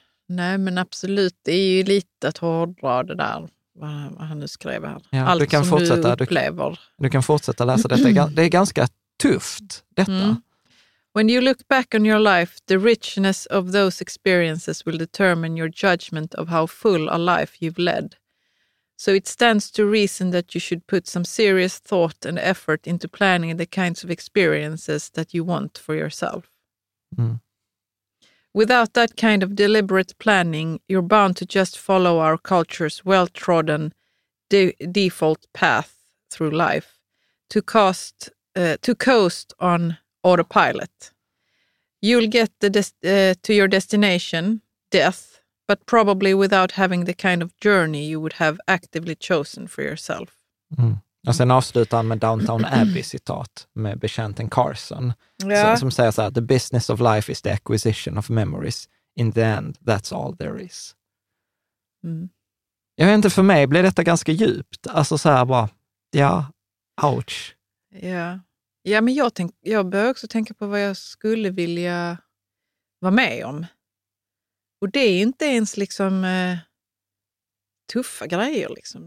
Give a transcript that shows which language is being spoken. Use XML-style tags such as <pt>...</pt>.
<sv>Nej, men absolut, det är ju lite att hårdra det där. vad han nu skrev här. Ja, allt du kan som fortsätta, du upplever. Du kan fortsätta läsa detta. Det är ganska tufft, detta. Mm.</sv> <en>When you look back on your life, the richness of those experiences will determine your judgment of how full a life you've led. So it stands to reason that you should put some serious thought and effort into planning the kinds of experiences that you want for yourself. Mm. Without that kind of deliberate planning, you're bound to just follow our culture's well-trodden default path through life to coast on autopilot. You'll get to your destination, death, but probably without having the kind of journey you would have actively chosen for yourself.</en> <sv>Mm. Och sen avslutar han med Downton Abbey-citat med bekänten Carson, ja, som säger så här,</sv> <en>the business of life is the acquisition of memories. In the end, that's all there is. Mm.</en> <sv>Jag vet inte, för mig blev detta ganska djupt. Alltså så här bara, ja, ouch. Ja. Ja, men jag bör också tänka på vad jag skulle vilja vara med om. Och det är inte ens liksom tuffa grejer liksom.</sv>